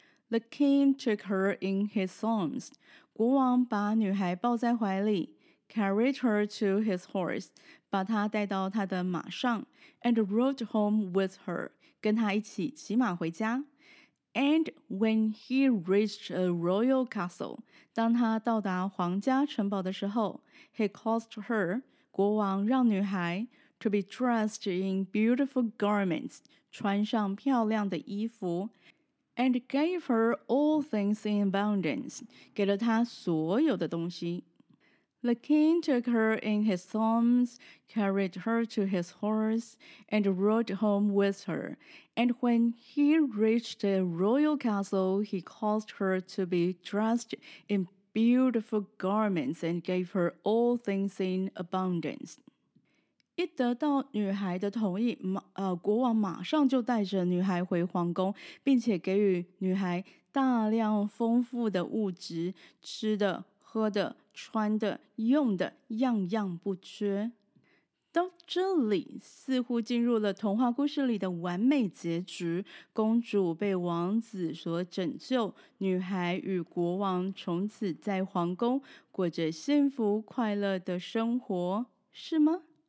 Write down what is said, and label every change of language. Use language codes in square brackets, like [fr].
[en] The king took her in his arms. [zh] 国王把女孩抱在怀里。 [en] Carried her to his horse, [zh] 把她带到他的马上, [en] and rode home with her, [zh] 跟她一起骑马回家。 [en] And when he reached a royal castle, [zh] 当他到达皇家城堡的时候, [en] he caused her, [zh] 国王让女孩, [en] to be dressed in beautiful garments, [zh] 穿上漂亮的衣服, [en] and gave her all things in abundance, [zh] 给了她所有的东西。 [en] The king took her in his arms, carried her to his horse, and rode home with her. And when he reached the royal castle, he caused her to be dressed in beautiful garments and gave her all things in abundance. [zh] 一得到女孩的同意，国王马上就带着女孩回皇宫，并且给予女孩大量丰富的物质，吃的、喝的、穿的、用的，样样不缺。到这里，似乎进入了童话故事里的完美结局，公主被王子所拯救，女孩与国王从此在皇宫过着幸福快乐的生活，是吗？